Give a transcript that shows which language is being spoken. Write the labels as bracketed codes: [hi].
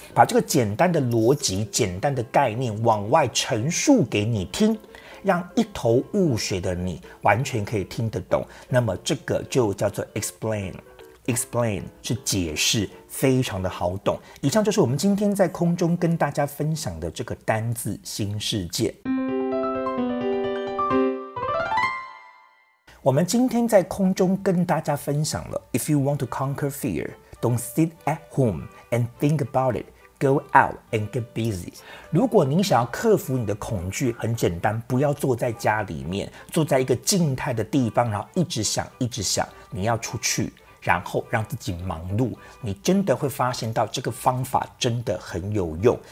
[zh] 把这个简单的逻辑、简单的概念往外陈述给你听，让一头雾水的你完全可以听得懂，那么这个就叫做 explain。 Explain 是解释，非常的好懂。以上就是我们今天在空中跟大家分享的这个单字新世界。我们今天在空中跟大家分享了 [en] If you want to conquer fear, don't sit at home and think about it. Go out and get busy. [zh] 如果你想要克服你的恐惧，很简单，不要坐在家里面，坐在一个静态的地方，然后一直想，一直想，你要出去，然后让自己忙碌，你真的会发现到这个方法真的很有用。